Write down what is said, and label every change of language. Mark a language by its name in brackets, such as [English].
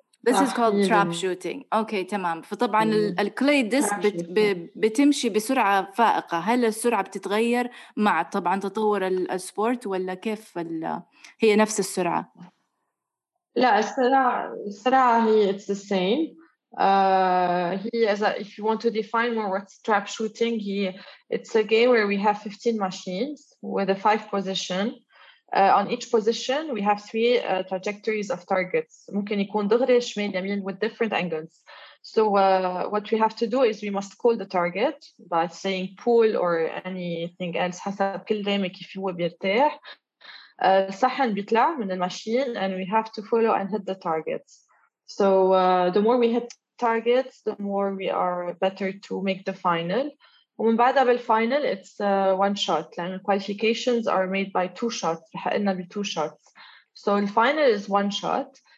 [English] This is called trap shooting. Okay تمام. [Arabic] فطبعا الكلي ديسك بتمشي بسرعه فائقه، هل السرعه بتتغير مع طبعا تطور السبورت ولا كيف هي نفس السرعه؟ لا، السرعة هي it's the same. [English] هي as a, if you want to define more what's trap shooting, هي it's a game where we have 15 machines with a 5 position. On each position, we have three trajectories of targets. [Arabic] ممكن يكون دغري شمال يمين with different angles. [English] So what we have to do is we must call the target by saying pull or anything else. [Arabic] حسب كل دائما كيف هو بيرتاح. [English] صحن بيطلع من الماشين and we have to follow and hit the targets. So the more we hit targets, the more we are better to make the final. ومن بعدها بالفاينل it's one shot. لأن qualifications are made by two shots. حقلنا بtwo shots. So the final is one shot.